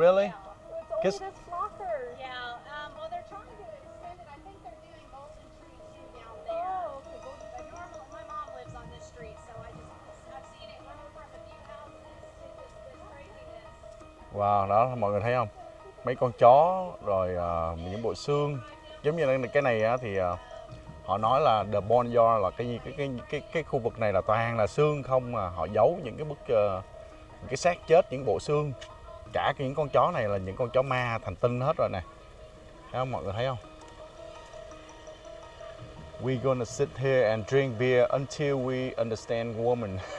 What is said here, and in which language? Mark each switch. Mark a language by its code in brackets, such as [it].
[en] Really? Yeah. It's only the flockers. Yeah, well, they're trying to extend it. I think they're doing golden trees down there. Oh, okay. But normally, my mom lives on this street, so I've seen it when we're from a few houses. It's just this craziness. [vi] Wow. Đó, mọi người thấy không? Mấy con chó, rồi những bộ xương. Giống như cái này á, thì họ nói là The Boneyard là cái khu vực này là toàn là xương không mà. Họ giấu những cái bức, những cái xác chết, những bộ xương. Cả những con chó này là những con chó ma thành tinh hết rồi nè. Thấy không, mọi người thấy không? [en] We gonna sit here and drink beer until we understand woman.